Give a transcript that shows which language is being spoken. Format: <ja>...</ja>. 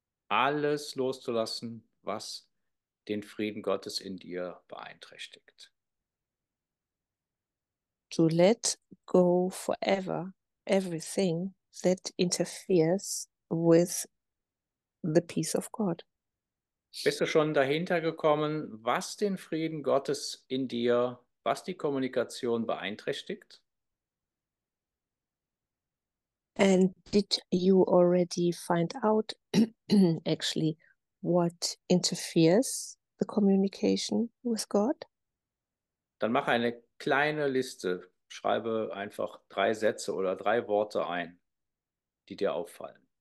<de>Alles loszulassen, was den Frieden Gottes in dir beeinträchtigt.</de> <en>To let go forever everything that interferes with the peace of God.</en> <de>Bist du schon dahinter gekommen, was den Frieden Gottes in dir, was die Kommunikation beeinträchtigt?</de> <en>And did you already find out actually what interferes the communication with God?</en> <de>Dann mach eine kleine Liste. Schreibe einfach drei Sätze oder drei Worte ein, die dir auffallen.</de>